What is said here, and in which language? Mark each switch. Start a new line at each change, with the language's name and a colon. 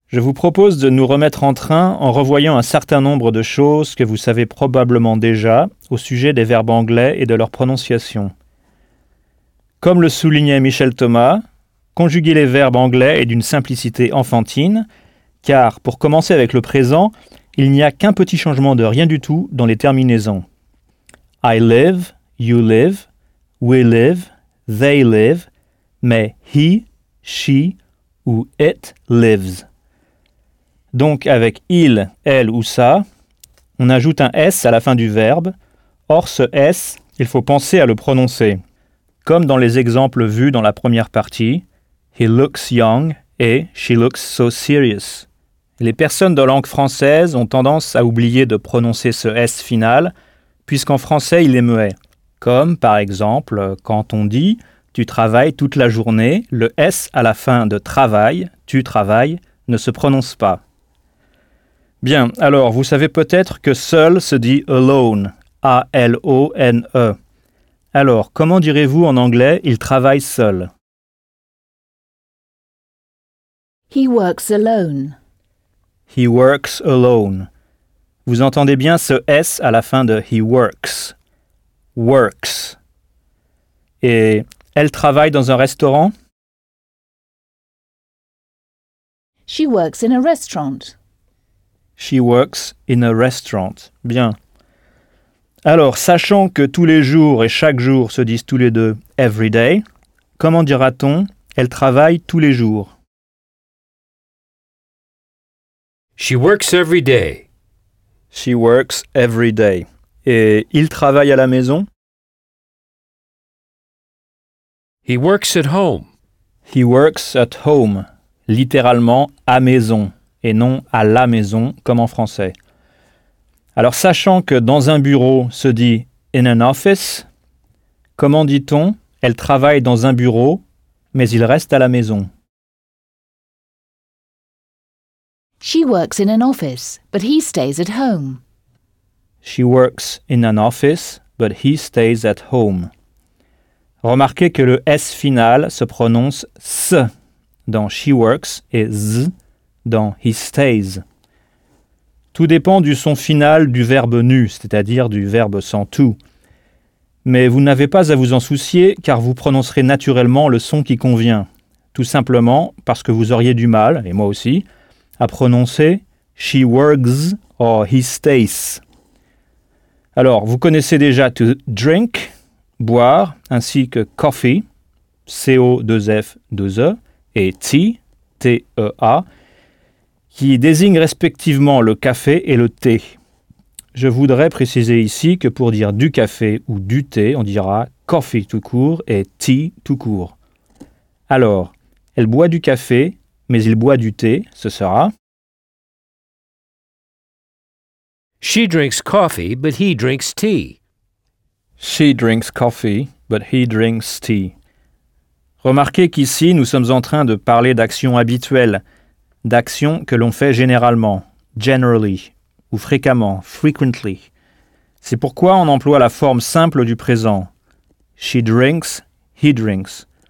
French: Je vous propose de nous remettre en train en revoyant un certain nombre de choses que vous savez probablement déjà au sujet des verbes anglais et de leur prononciation. Comme le soulignait Michel Thomas, conjuguer les verbes anglais est d'une simplicité enfantine, car pour commencer avec le présent, il n'y a qu'un petit changement de rien du tout dans les terminaisons.
English: I live, you live, we live, they live, mais he, she ou it lives.
French: Donc avec il, elle ou ça, on ajoute un S à la fin du verbe. Or ce S, il faut penser à le prononcer. Comme dans les exemples vus dans la première partie,
English: he looks young
French: et
English: she looks so serious.
French: Les personnes de langue française ont tendance à oublier de prononcer ce S final, puisqu'en français il est muet. Comme par exemple, quand on dit tu travailles toute la journée, le S à la fin de travail, tu travailles, ne se prononce pas. Bien, alors vous savez peut-être que seul se dit alone, A-L-O-N-E. Alors, comment direz-vous en anglais « il travaille seul » ?
English: He works alone. He works alone.
French: Vous entendez bien ce S à la fin de «
English: he works
French: ». Works. Et elle travaille dans un restaurant ?
English: She works in a restaurant. She works in a restaurant.
French: Bien. Alors, sachant que tous les jours et chaque jour se disent tous les deux « every day », comment dira-t-on « elle travaille tous les jours » ?
English: She works every day. She works every day.
French: Et il travaille à la maison ?
English: He works at home. He works at home.
French: Littéralement « à maison » et non « à la maison » comme en français. Alors, sachant que dans un bureau se dit «
English: in an office
French: », comment dit-on « elle travaille dans un bureau, mais il reste à la maison » ?
English: She works in an office, but he stays at home. She works in an office, but he stays at home.
French: Remarquez que le S final se prononce « s » dans «
English: she works
French: » et « z » dans «
English: he stays ».
French: Tout dépend du son final du verbe nu, c'est-à-dire du verbe sans tout. Mais vous n'avez pas à vous en soucier car vous prononcerez naturellement le son qui convient. Tout simplement parce que vous auriez du mal, et moi aussi, à prononcer «
English: she works
French: » or «
English: he stays ».
French: Alors, vous connaissez déjà « to drink », « boire », ainsi que « coffee », C-O-2-F-2-E, et « tea », T-E-A, qui désigne respectivement le café et le thé. Je voudrais préciser ici que pour dire du café ou du thé, on dira coffee tout court et tea tout court. Alors, elle boit du café, mais il boit du thé, ce sera...
English: She drinks coffee, but he drinks tea. She drinks coffee, but he drinks tea.
French: Remarquez qu'ici, nous sommes en train de parler d'actions habituelles, d'actions que l'on fait généralement, generally, ou fréquemment, frequently. C'est pourquoi on emploie la forme simple du présent.
English: She drinks, he drinks.